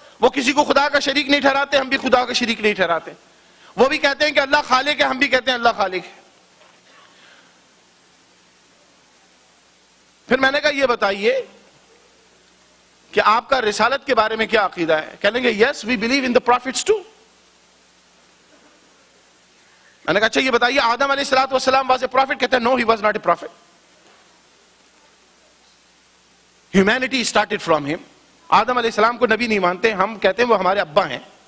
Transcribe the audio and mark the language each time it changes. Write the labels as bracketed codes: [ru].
[ur] وہ کسی کو خدا کا شریک نہیں ٹھہراتے, ہم بھی خدا کا شریک نہیں ٹھہراتے. وہ بھی کہتے ہیں کہ اللہ خالق ہے, ہم بھی کہتے ہیں اللہ خالق ہے. پھر میں نے کہا یہ بتائیے کہ آپ کا رسالت کے بارے میں کیا عقیدہ ہے. کہنے لگے [en] Yes we believe in the prophets too. [ur] میں نے کہا اچھا یہ بتائیے آدم علیہ الصلوۃ والسلام [en] Was a prophet. [ur] کہتے ہیں [en] No he was not a prophet. Humanity started from him. [ur] آدم علیہ السلام کو نبی نہیں مانتے, ہم کہتے ہیں وہ ہمارے ابا ہیں.